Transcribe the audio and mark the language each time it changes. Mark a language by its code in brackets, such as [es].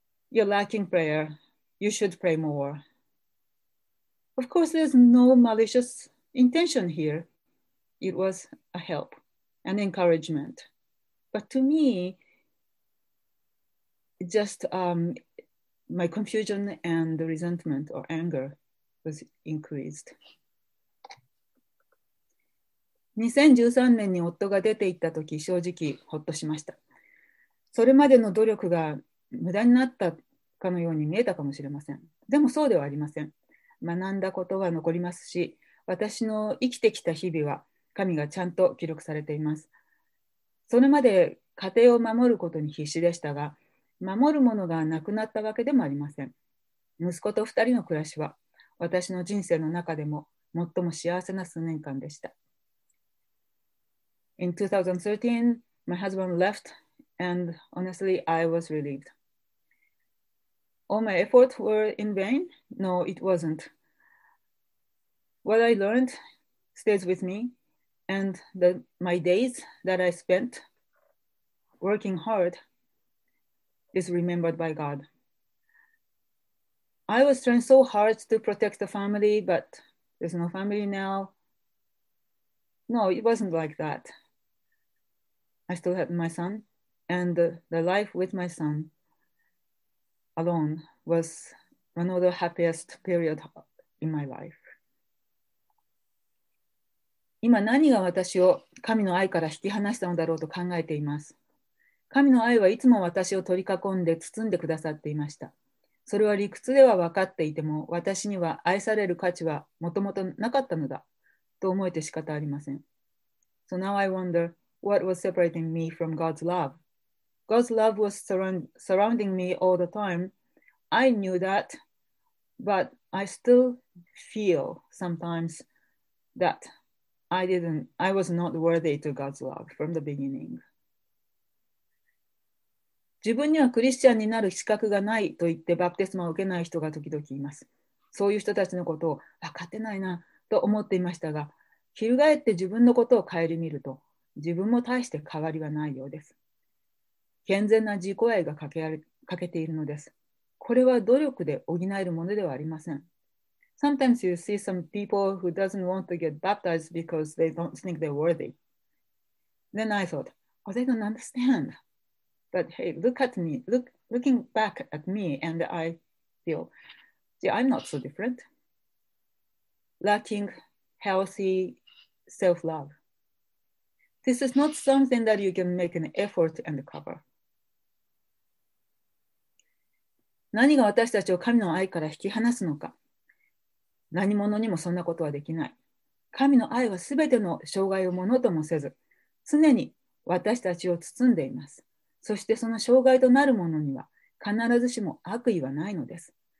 [en] You're lacking prayer. You should pray more. Of course, there's no malicious intention here. It was a help, an encouragement. But to me, just my confusion and the resentment or anger was increased. [ja] 2013年に夫が出て行ったとき、正直ほっとしました。それまでの努力が無駄になったかのように見えたかもしれません。でもそうではありません。学んだことは残りますし、私の生きてきた日々は神がちゃんと記録されています。それまで家庭を守ることに必死でしたが、守るものがなくなったわけでもありません。息子と二人の暮らしは、私の人生の中でも最も幸せな数年間でした。 [en] In 2013, my husband left, and honestly, I was relieved. All my efforts were in vain? No, it wasn't. What I learned stays with me, and my days that I spent working hard is remembered by God. I was trying so hard to protect the family, but there's no family now. No, it wasn't like that. I still had my son, and the life with my son alone was one of the happiest period in my life. [ja] 今何が私を神の愛から引き離したのだろうと考えています。神の愛はいつも私を取り囲んで包んでくださっていました。それは理屈では分かっていても、私には愛される価値はもともとなかったのだと思えて仕方ありません。 [en] So now I wonder, what was separating me from God's love? God's love was surrounding me all the time. I knew that, but I still feel sometimes that I was not worthy to God's love from the beginning. [ja] 自分にはクリスチャンになる資格がないと言ってバプテスマを受けない人が時々います。そういう人たちのことを分かってないなと思っていましたが、翻って自分のことを顧みると、自分も大して変わりはないようです。健全な自己愛が欠けているのです。これは努力で補えるものではありません。 [en] Sometimes you see some people who doesn't want to get baptized because they don't think they're worthy. Then I thought, oh, they don't understand. But hey, look at me, looking back at me, and I feel, yeah, I'm not so different. Lacking healthy self-love. This is not something that you can make an effort and cover. [ja] 何が私たちを神の愛から引き離すのか。何者にもそんなことはできない。神の愛はすべての障害をものともせず、常に私たちを包んでいます。そしてその障害となるものには必ずしも悪意はないのです。